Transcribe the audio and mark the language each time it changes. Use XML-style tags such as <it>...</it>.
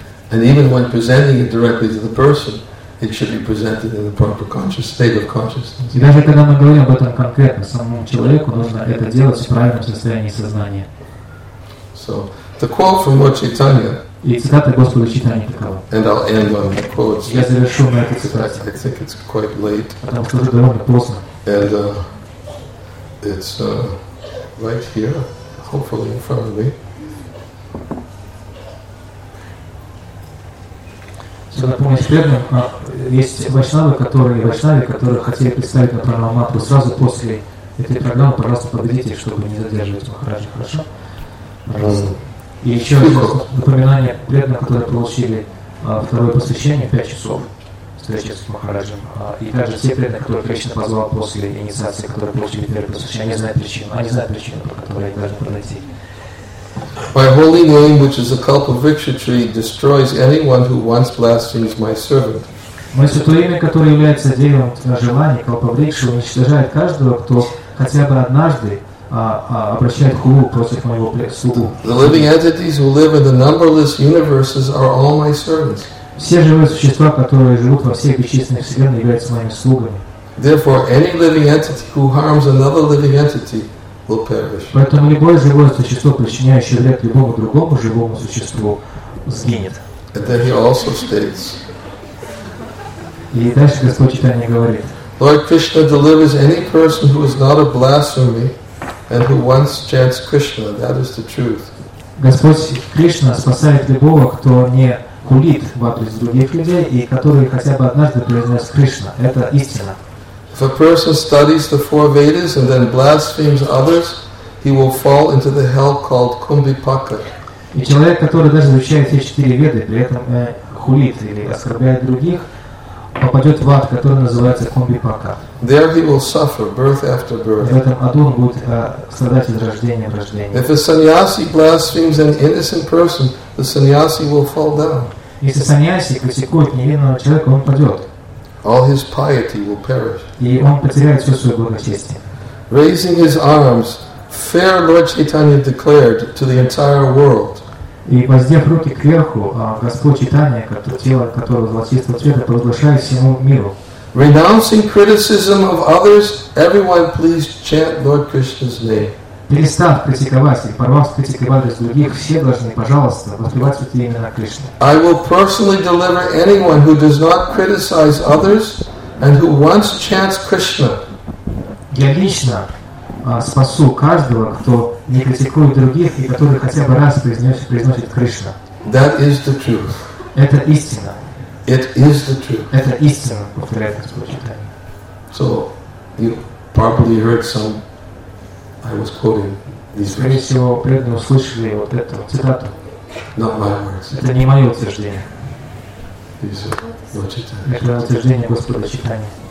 <en>And even when presenting it directly to the person, it should be presented in the proper conscious state of consciousness.</en> <ru>И даже когда мы говорим об этом конкретно самому человеку, нужно это делать в правильном состоянии сознания.</ru> <en>So the quote from Lord Chaitanya.</en> <ru>И цитата Господа Чайтаньи такова.</ru> <en>And I'll end on the quotes.</en> <ru>Я завершу на этой цитате.</ru> <en>I think it's quite late.</en> <ru>Потому что уже довольно поздно.</ru> <en>And it's right here, hopefully in front of me.</en> <ru>Помню, Шпернер, есть вайшнавы, которые хотели представить на Пранамапу сразу после этой программы. Пожалуйста, подойдите, чтобы не задерживать Махараджа. Хорошо? Пожалуйста. И еще одно напоминание преданных, которые получили второе посвящение 5 часов встречи с Махараджем. И также все преданные, которые Кришна позвал после инициации, которые получили первое посвящение, они знают причину, по которой они должны подойти.</ru> <en>My holy name, which is a kalpa vriksha tree, destroys anyone who once blasphemes my servant.</en> <ru>Мое святое имя, которое является деревом желаний, kalpa vriksha, уничтожает каждого, кто хотя бы однажды обращает хулу против моего слугу.</ru> <en>The living entities who live in the numberless universes are all my servants.</en> <ru>Все живые существа, которые живут во всех бесчисленных вселенных, являются моими слугами.</ru> <en>Therefore, any living entity who harms another living entity</en> <ru>Поэтому любое живое существо, причиняющее вред любому другому живому существу, сгинет.</ru> <en>And then he also states,</en> <ru>и дальше Господь Читания говорит,</ru> <en>Lord Krishna delivers any person who is not a blasphemy and who once chants Krishna. That is the truth.</en> <ru>Господь Кришна спасает любого, кто не хулит в адрес других людей и который хотя бы однажды произнес Кришна. Это истина.</ru> <en>If a person studies the four Vedas and then blasphemes others, he will fall into the hell called Kumbhipaka.</en> <ru>И человек, который даже изучает все четыре Веды, при этом хулит или оскорбляет других, попадет в ад, который называется Кумбхипака.</ru> <en>There he will suffer birth after birth.</en> <ru>В этом аду он будет страдать из рождения в рождение.</ru> <en>If a sannyasi blasphemes an innocent person, the sannyasi will fall down.</en> <ru>Если sannyasi критикует невинного человека, он падет.</ru> <en>All his piety will perish.</en> <ru>И он потеряет все свое благочестие.</ru> <en>Raising his arms, fair Lord Chaitanya declared to the entire world.</en> <ru>И воздев руки кверху, Господь Читания, тело которого золотистого цвета, провозглашает всему миру.</ru> <en>Renouncing criticism of others, everyone please chant Lord Krishna's name.</en> <ru>Перестав критиковать и порвав с критикой в адрес других, все должны, пожалуйста, воспевать святые имена Кришны.</ru> <en>I will personally deliver anyone who does not criticize others and who once chants Krishna.</en> <ru>Я лично спасу каждого, кто не критикует других и который хотя бы раз произносит Кришна.</ru> <en>That is the truth.</en> <ru>Это истина.</ru> <en>It is the truth.</en> <ru>Это истина, повторяет Господь Читания.</ru> <en>So, you probably heard some I was quoting these words.</en> <ru>Скорее всего, преданные услышали вот эту цитату.</ru> <en>Not my words.</en> <ru>Это не мое утверждение.</ru> <en>These are</en> <ru>Это утверждение Господа Читания.</ru>